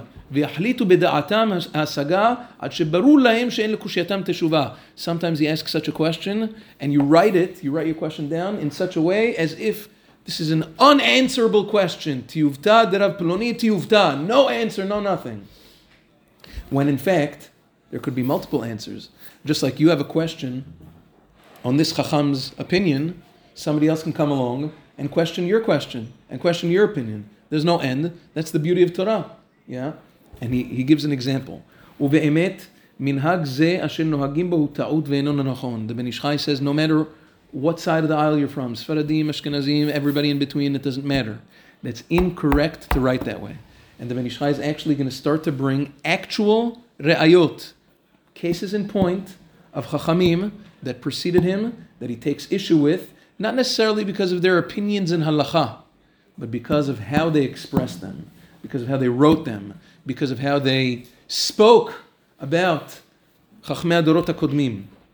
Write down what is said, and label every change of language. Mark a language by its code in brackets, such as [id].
[he] ויחליטו בדעתם ההשגה עד שברו להם שאין לקושייתם תשובה. [en] Sometimes he asks such a question and you write it, you write your question down in such a way as if this is an unanswerable question. [he] תיובטה דרב פלוני, תיובטה. [en] No answer, no nothing. When in fact, there could be multiple answers. Just like you have a question on this chacham's opinion, somebody else can come along and question your question and question your opinion. There's no end. That's the beauty of Torah. Yeah? And he gives an example. [he] ובאמת, מנהג זה אשר נוהגים בו הוא טעות ואינו נכון. [en] The Ben Ish Chai says, no matter what side of the aisle you're from, Sfaradim, Ashkenazim, everybody in between, it doesn't matter. That's incorrect to write that way. And the Ben Ish Chai is actually going to start to bring actual re'ayot, cases in point of chachamim that preceded him, that he takes issue with, not necessarily because of their opinions in halakha, but because of how they expressed them, because of how they wrote them, because of how they spoke about Chachmei Adorot HaKodmim.